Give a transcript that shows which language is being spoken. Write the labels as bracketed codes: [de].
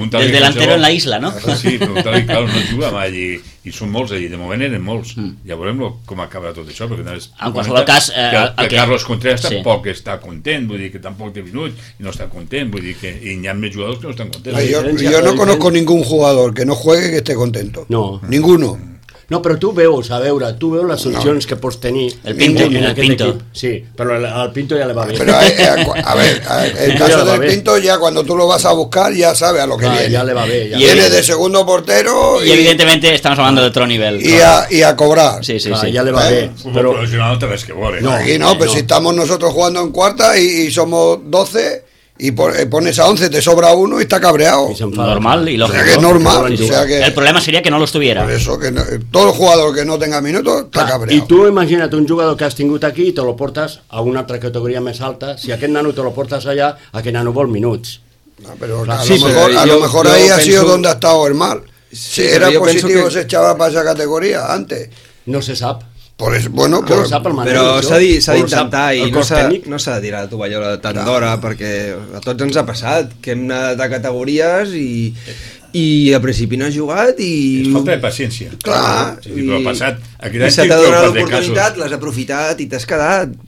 [es] El delantero en la isla, no? [ca] Sí, preguntar-li, clar, no juga mai. I són molts, de moment eren molts. Ja veurem com acabarà tot això. En qualsevol cas... que Carlos Contreras tampoc està content, vull dir que tampoc té minuts i no està content. Vull dir que hi ha més jugadors que no estan contents. [es] Jo no conozco ningún jugador que no juegue que esté contento. No. Ninguno. [ca] No, però tu veus, a veure, tu veus les opcions que pots tenir. El Pinto, en el Pinto. Equip. Sí, però al Pinto ja li va bé. [es] Però el caso del Pinto, [ca] ja quan tu [es] lo vas a buscar, ja sabe a lo que viene. Ja le va bé. Y viene de segundo portero. Y evidentemente estamos hablando de otro nivel. Y a cobrar. Sí, sí, sí. Ya le va bé. Pero si no, te ves que vole. No, aquí no, pero si estamos nosotros jugando en cuarta y somos 12... y pones a 11, te sobra uno y está cabreado. Y se enfada. Normal y lógico. O sea que es normal. O sea que... el problema sería que no lo estuviera. Por eso, que no, todo el jugador que no tenga minutos está claro, cabreado. Y tú imagínate un jugador que [ca] has tingut aquí [es] y te lo portas a una otra categoría más alta. Si aquel nano te lo portas allá, a aquel nano [ca] vol minuts. [es] No, pero claro, a lo mejor ahí ha sido donde ha estado el mal. Si era positivo, se echaba para esa categoría antes. [ca] No se sap. Però s'ha d'intentar i no s'ha de tirar la tovallola tant d'hora, perquè a tots ens ha passat que hem anat de categories i al principi no has jugat i... es falta de paciència. Clar, sí, i se t'ha donat l'oportunitat, l'has aprofitat i t'has quedat.